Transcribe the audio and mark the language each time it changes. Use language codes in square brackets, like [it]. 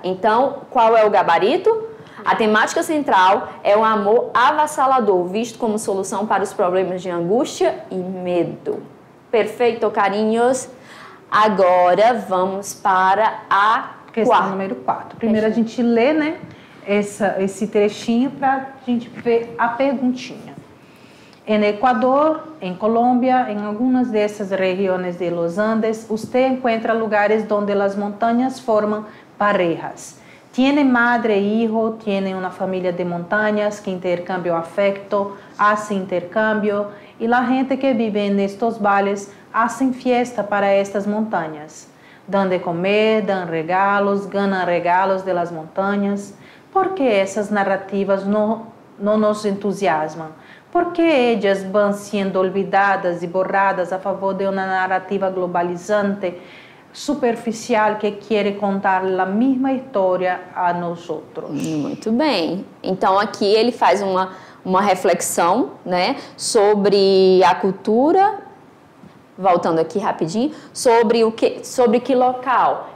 [pt] Então, qual é o gabarito? A temática central é o amor avassalador, visto como solução para os problemas de angústia e medo. Perfeito, carinhos? Agora, vamos para a questão quarta. Número 4. Primeiro, a gente lê, né, esse trechinho para a gente ver a perguntinha. [es] En Ecuador, en Colombia, en algunas de esas regiones de los Andes, usted encuentra lugares donde las montañas forman parejas. Tiene madre e hijo, tiene una familia de montañas que intercambia afecto, hace intercambio, y la gente que vive en estos valles hace fiesta para estas montañas. Dan de comer, dan regalos, ganan regalos de las montañas. ¿Por qué esas narrativas no nos entusiasman? [pt] Por que elas vão sendo [es] olvidadas e borradas [pt] a favor de uma narrativa globalizante, superficial, que quer contar a mesma história a nós outros? Muito bem. Então, aqui ele faz uma reflexão, né, sobre a cultura, voltando aqui rapidinho, sobre que local?